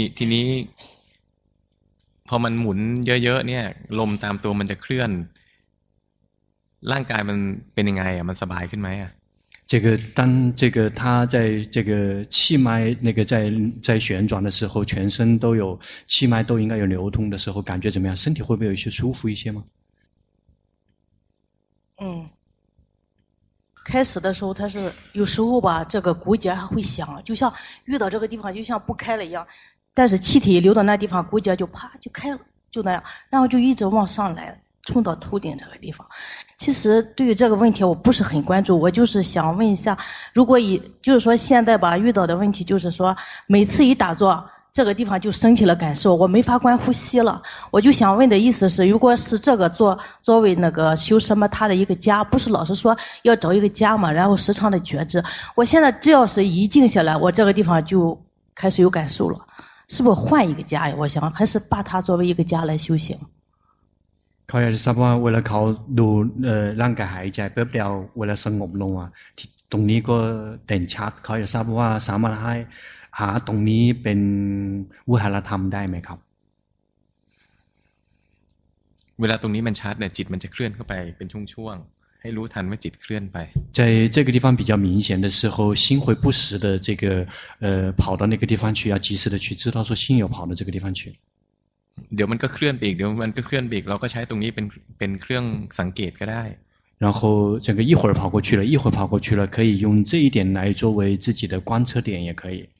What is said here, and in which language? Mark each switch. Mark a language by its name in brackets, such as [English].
[Thai] ทีนี้พอมันหมุนเยอะๆเนี่ยลมตามตัวมันจะเคลื่อนร่างกายมันเป็นยังไงอ่ะมันสบายขึ้นไหมอ่ะ [Chinese] 这个当这个它在这个气脉那个在旋转的时候，全身都有气脉都应该有流通的时候，感觉怎么样？身体会不会有一些舒服一些吗？开始的时候它是有时候吧，这个骨节还会响，就像遇到这个地方就像不开了一样。但是气体流到那地方，骨节就啪就开了，就那样，然后就一直往上来，冲到头顶这个地方。其实对于这个问题我不是很关注，我就是想问一下，如果以就是说现在吧遇到的问题就是说，每次一打坐这个地方就升起了感受，我没法观呼吸了。我就想问的意思是，如果是这个做作为那个修什么他的一个家，不是老是说要找一个家嘛，然后时常的觉知，我现在只要是一静下来，我这个地方就开始有感受了，是不是换一个家呀？我想还是把它作为一个家来修行。 [Thai] เขาอยากจะทราบว่าเวลาเขาดูร่างกายหายใจแป๊บเดียวเวลาสงบลงอ่ะตรงนี้ก็เด่นชัดเขาอยากทราบว่าสามารถให้หาตรงนี้เป็นวิหารธรรมได้ไหมครับ เวลาตรงนี้มันชัดเนี่ยจิตมันจะเคลื่อนเข้าไปเป็นช่วงๆให้รู้ทันว่าจิตเคลื่อนไป [Chinese] 在这个地方比较明显的时候心会不时的这个跑到那个地方去要及时的去知道说心有跑到这个地方去 [Thai] เดี๋ยวมันก็เคลื่อนไปอีกเดี๋ยวมันก็เคลื่อนไปอีกเราก็ใช้ตรงนี้เป็นเครื่องสังเกตก็ได้ [Chinese] 然后整个一会儿跑过去了一会儿跑过去了可以用这一点来作为自己的观测点也可以